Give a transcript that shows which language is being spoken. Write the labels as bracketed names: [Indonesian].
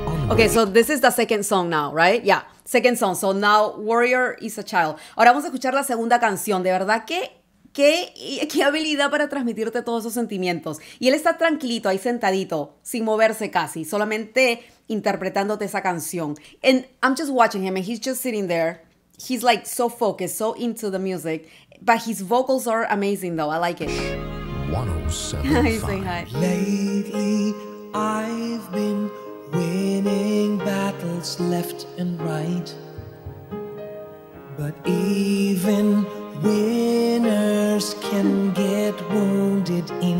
[English] Okay, so this is the second song now, right? Yeah, second song. So now Warrior is a Child. [Spanish] Ahora vamos a escuchar la segunda canción. De verdad, qué habilidad para transmitirte todos esos sentimientos. Y él está tranquilito, ahí sentadito, sin moverse casi, solamente interpretándote esa canción. [English] And I'm just watching him and he's just sitting there. He's like so focused, so into the music. But his vocals are amazing though, I like it. 107.5. He's saying hi. Lately, I've been winning battles left and right, but even winners can get wounded in